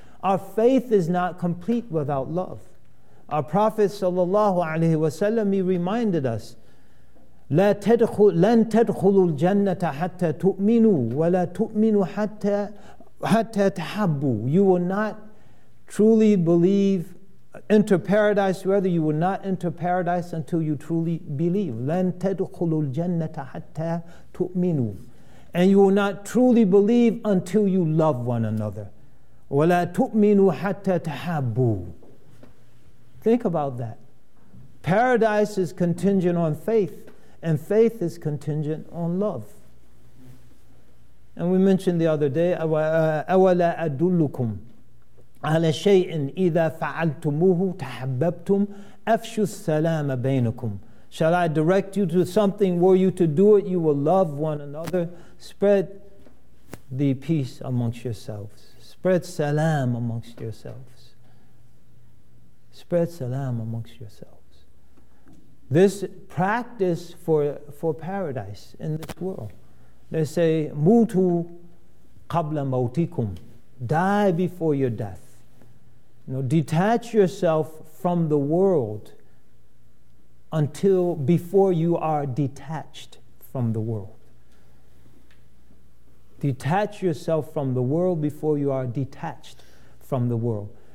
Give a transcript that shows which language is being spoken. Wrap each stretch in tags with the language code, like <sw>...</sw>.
<en>Our faith is not complete without love. Our Prophet sallallahu alaihi wasallam, he reminded us,</en> <ar>لَن تَدْخُلُ الْجَنَّةَ حَتَّى تُؤْمِنُوا وَلَا تُؤْمِنُوا حَتَّى تَحَبُّوا.</ar> <en>You will not truly believe, enter paradise, whether you will not enter paradise until you truly believe.</en> <ar>لَن تَدْخُلُوا الْجَنَّةَ حَتَّى تُؤْمِنُوا.</ar> <en>And you will not truly believe until you love one another.</en> <ar>وَلَا تُؤْمِنُوا حَتَّى تَحَبُّوا.</ar> <en>Think about that. Paradise is contingent on faith, and faith is contingent on love. And we mentioned the other day,</en> <ar>أَوَلَا أَدُلُّكُمْ عَلَى شَيْءٍ إِذَا فَعَلْتُمُوهُ تَحَبَّبْتُمْ أَفْشُوا السَّلَامَ بَيْنَكُمْ.</ar> <en>Shall I direct you to something? Were you to do it, you will love one another. Spread the peace amongst yourselves. Spread salam amongst yourselves. Spread salam amongst yourselves. This practice for paradise in this world. They say,</en> <ar>مُوتُوا قَبْلَ مَوْتِكُمْ.</ar> <en>Die before your death. You know, detach yourself from the world before you are detached from the world. Detach yourself from the world before you are detached from the world.</en>